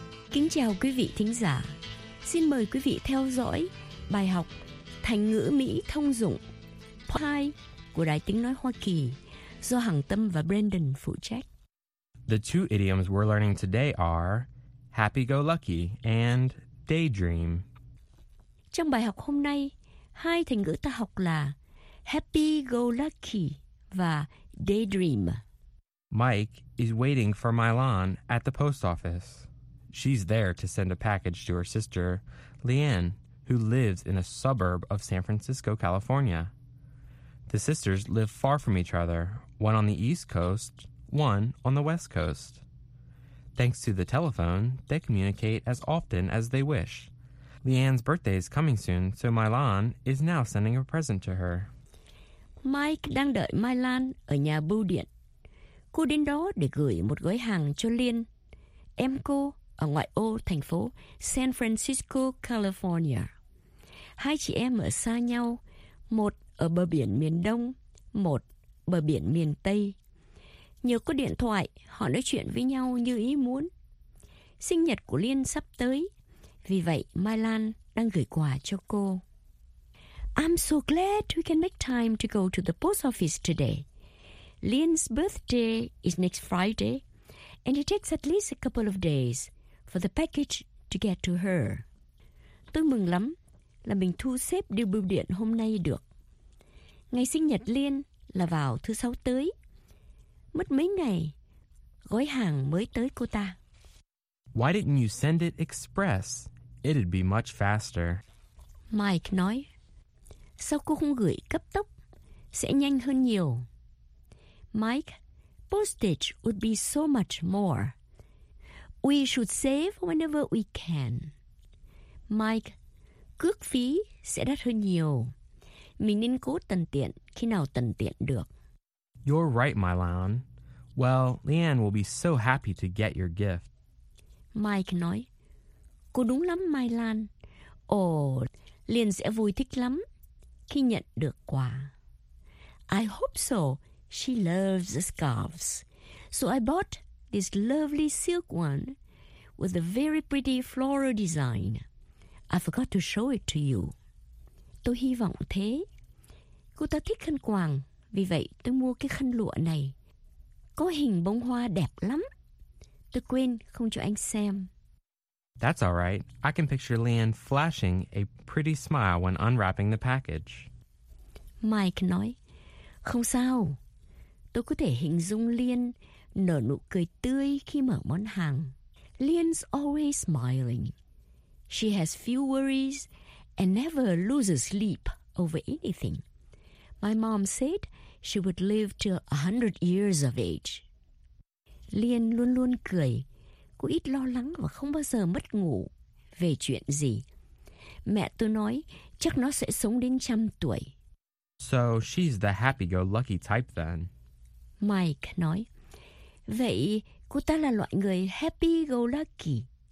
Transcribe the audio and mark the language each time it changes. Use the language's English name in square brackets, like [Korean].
[Vietnamese] Kính chào quý vị thính giả. Xin mời quý vị theo dõi bài học Thành ngữ Mỹ thông dụng Part 2 của Đài Tiếng Nói Hoa Kỳ do Hằng Tâm và Brandon phụ trách. [English] The two idioms we're learning today are happy-go-lucky and daydream. Trong bài học hôm nay, hai thành ngữ ta học là happy-go-lucky và daydream. Mike is waiting for Mylon at the post office. She's there to send a package to her sister, Leanne, who lives in a suburb of San Francisco, California. The sisters live far from each other, one on the East Coast, one on the West Coast. Thanks to the telephone, they communicate as often as they wish. Leanne's birthday is coming soon, so Mylon is now sending a present to her. [Vietnamese] Mike đang đợi Mylon ở nhà bưu điện. Cô đến đó để gửi một gói hàng cho Liên, em cô ở ngoại ô thành phố San Francisco, California. Hai chị em ở xa nhau, một ở bờ biển miền Đông, một bờ biển miền Tây. Nhờ có điện thoại, họ nói chuyện với nhau như ý muốn. Sinh nhật của Liên sắp tới, vì vậy Mylon đang gửi quà cho cô. [English] I'm so glad we can make time to go to the post office today. Liên's birthday is next Friday, and it takes at least a couple of days for the package to get to her. [Vietnamese] Tôi mừng lắm là mình thu xếp điều bưu điện hôm nay được. Ngày sinh nhật Liên là vào thứ sáu tới. Mất mấy ngày, gói hàng mới tới cô ta. [English] Why didn't you send it express? It'd be much faster. [Vietnamese] Mike nói, sao cô không gửi cấp tốc? Sẽ nhanh hơn nhiều. [English] Mike, postage would be so much more. We should save whenever we can. [Vietnamese] Mike, cước phí sẽ đắt hơn nhiều. Mình nên cố tận tiện khi nào tận tiện được. [English] You're right, Mylon. Well, Leanne will be so happy to get your gift. [Vietnamese] Mike nói, cô đúng lắm, Mylon. Ồ, Leanne sẽ vui thích lắm khi nhận được quà. [English] I hope so. She loves the scarves. So I bought this lovely silk one with a very pretty floral design. I forgot to show it to you. [Vietnamese] Tôi hy vọng thế. Cô ta thích khăn quàng, vì vậy tôi mua cái khăn lụa này. Có hình bông hoa đẹp lắm. Tôi quên không cho anh xem. [English] That's all right. I can picture Leanne flashing a pretty smile when unwrapping the package. [Vietnamese] Mike nói, không sao. Tôi có thể hình dung Liên nở nụ cười tươi khi mở món hàng. [English] Liên's always smiling. She has few worries and never loses sleep over anything. My mom said she would live to 100 years of age. [Vietnamese] Liên luôn luôn cười. Cô ít lo lắng và không bao giờ mất ngủ về chuyện gì. Mẹ tôi nói chắc nó sẽ sống đến 100 tuổi. [English] So she's the happy-go-lucky type then. [Vietnamese] Mike nói, vậy cô ta là loại người happy-go-lucky.